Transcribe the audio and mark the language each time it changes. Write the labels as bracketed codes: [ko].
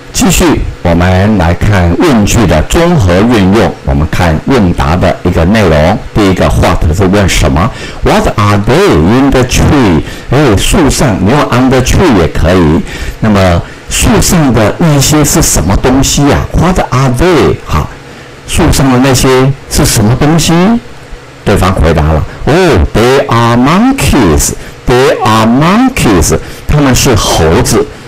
[zh] 续我们来看问句的综合运用，我们看问答的一个内容。第一个 what 是问什么， [en] what are they in the tree， [zh] 树上，你用 [en] on the tree [zh] 也可以。那么树上的那些是什么东西啊， [en] what are they， [zh] 好，树上的那些是什么东西，对方回答了， [en] they are monkeys， [zh] 他们是猴子。